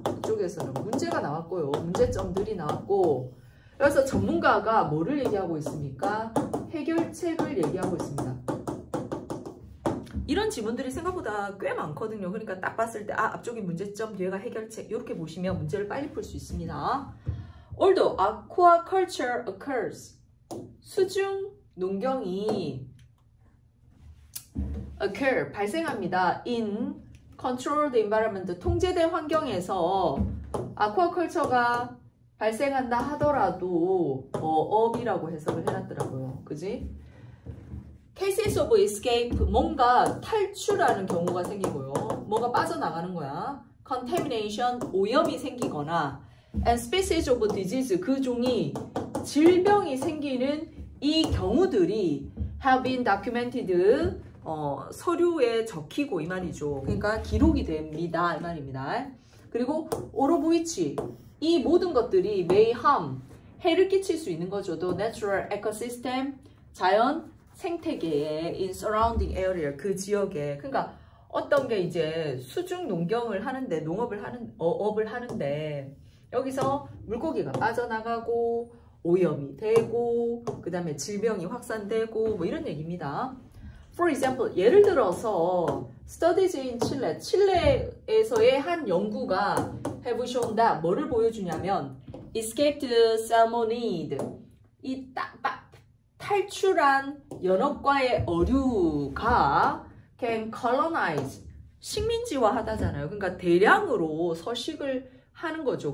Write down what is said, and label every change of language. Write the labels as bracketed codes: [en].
[ko] 이쪽에서는 문제가 나왔고요. 문제점들이 나왔고 그래서 전문가가 뭐를 얘기하고 있습니까? 해결책을 얘기하고 있습니다. 이런 지문들이 생각보다 꽤 많거든요. 그러니까 딱 봤을 때 앞쪽이 문제점, 뒤에가 해결책 이렇게 보시면 문제를 빨리 풀 수 있습니다. [en] Although aquaculture occurs, [ko] 수중 농경이 [en] occur, [ko] 발생합니다. [en] In controlled environment, [ko] 통제된 환경에서 [en] aquaculture가 [ko] 발생한다 하더라도 어업이라고 해석을 해놨더라고요. 그지? [en] Cases of escape, [ko] 뭔가 탈출하는 경우가 생기고요. 뭐가 빠져나가는 거야. Contamination, 오염이 생기거나 [en] And species of disease, [ko] 그 종이 질병이 생기는 이 경우들이 [en] have been documented, [ko] 서류에 적히고 이 말이죠. 그러니까 기록이 됩니다 이 말입니다. 그리고 [en] all of which, [ko] 이 모든 것들이 [en] may harm, [ko] 해를 끼칠 수 있는 거죠. [en] The natural ecosystem, [ko] 자연 생태계에 [en] in surrounding area, [ko] 그 지역에. 그러니까 어떤 게 이제 수중 농경을 하는데, 농업을 하는, 어업을 하는데, 여기서 물고기가 빠져나가고, 오염이 되고, 그 다음에 질병이 확산되고, 뭐 이런 얘기입니다. [en] For example, [ko] 예를 들어서, [en] Studies in Chile. [ko] 칠레에서의 한 연구가 [en] have shown that, [ko] 뭐를 보여주냐면, [en] escaped salmonid. [ko] 이 딱, 딱, 탈출한 연어과의 어류가 [en] can colonize. [ko] 식민지화 하다잖아요. 그러니까 대량으로 서식을 하는 거죠.